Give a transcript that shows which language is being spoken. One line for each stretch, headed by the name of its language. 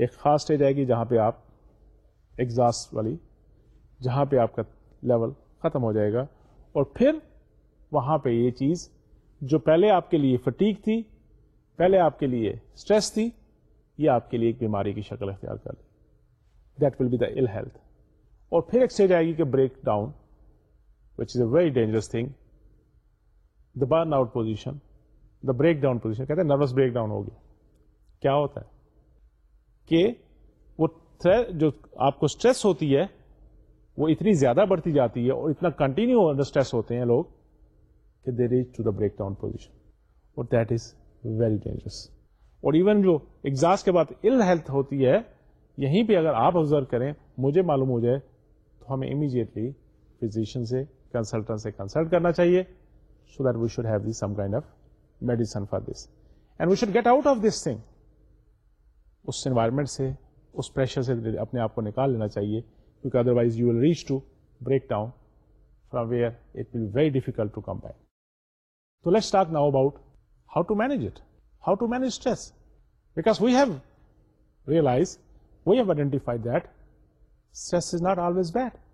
Urdu: ایک خاص سٹیج آئے گی جہاں پہ آپ ایگزاسٹ والی, جہاں پہ آپ کا لیول ختم ہو جائے گا, اور پھر وہاں پہ یہ چیز جو پہلے آپ کے لیے فٹیگ تھی, پہلے آپ کے لیے سٹریس تھی, یہ آپ کے لیے ایک بیماری کی شکل اختیار کر لی.
English: That will be the ill health.
Urdu: اور پھر ایک سٹیج آئے گی کہ
English: breakdown, which is a very dangerous thing, the burnout position, the breakdown position,
Urdu: کہتے ہیں
English: Nervous breakdown ہوگی.
Urdu: کیا ہوتا ہے کہ وہ جو آپ کو اسٹریس ہوتی ہے وہ اتنی زیادہ بڑھتی جاتی ہے, اور اتنا کنٹینیو انڈر اسٹریس ہوتے ہیں لوگ کہ
English: they reach to the breakdown position,
Urdu: اور
English: That is very dangerous.
Urdu: اور ایون جو ایگزاس کے بعد ill health ہوتی ہے, یہیں پہ اگر آپ آبزرو کریں, مجھے معلوم ہو جائے, تو ہمیں امیجیٹلی فزیشین سے, کنسلٹنٹ سے کنسلٹ کرنا چاہیے,
English: So that we should have the some kind of medicine for this, and we should get out of this thing.
Urdu: اس environment سے, اس پریشر سے اپنے آپ کو نکال لینا چاہیے,
English: Because otherwise you will reach to breakdown from where it will be very difficult to come back. So let's talk now about how to manage it, how to manage stress. Because we have realized, we have identified that stress is not always bad.